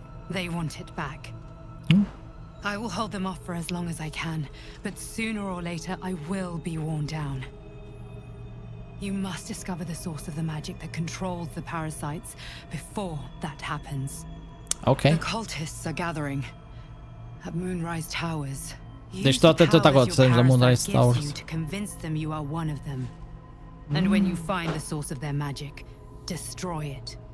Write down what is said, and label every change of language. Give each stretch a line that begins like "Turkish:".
English: They want it back. I will hold them off for as long as I can, but sooner or later I will be worn down. You must discover the source of the magic that controls the parasites before that happens. Okay. The cultists are gathering at Moonrise Towers.
Romanian: Deci toate tot acolo, să ajungem la Moonrise Towers.
English: To convince them you are one of them. And when you find the source of their magic, destroy it.